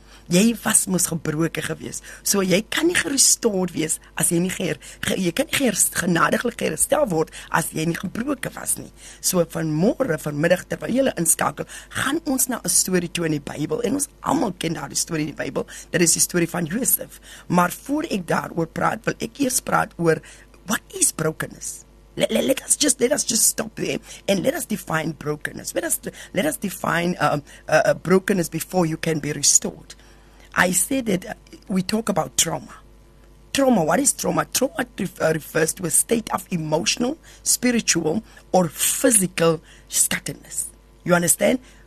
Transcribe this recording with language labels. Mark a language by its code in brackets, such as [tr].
[af] Jy was mos gebroke gewees. So jy kan nie gerestoreerd wees as jy nie genadiglik herstel word as jy nie gebroke was nie. So vanmôre, vanmiddag terwyl julle inskakel, gaan ons na 'n storie toe in die Bybel en ons almal ken daardie storie in die Bybel. Dit is die storie van Josef. Maar voor ek daaroor praat, wil ek eers praat oor wat is brokenness? [en] Let us just stop there and let us define brokenness. Let us define brokenness before you can be restored. I say that we talk about trauma. Trauma, what is trauma? Trauma refers to a state of emotional, spiritual, or physical scatteredness. You understand?